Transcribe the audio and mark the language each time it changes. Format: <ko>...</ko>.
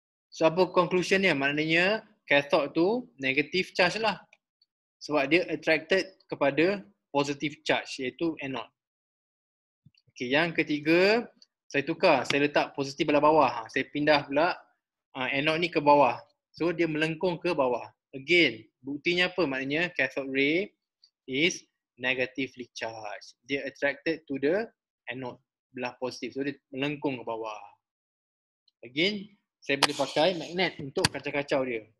<ms>So apa conclusion dia? Maknanya cathode tu negative charge lah. Sebab dia attracted kepada positive charge iaitu anode. Okay, yang ketiga saya tukar, saya letak positif belah bawah. Saya pindah pula anode ni ke bawah. So dia melengkung ke bawah. Again, buktinya apa? Maknanya</ms> <en>cathode ray is negatively charged.</en> <ms>Dia</ms> <en>attracted to the anode</en> <ms>belah positif. So dia melengkung ke bawah. Again, saya boleh pakai magnet untuk kacau-kacau dia.</ms>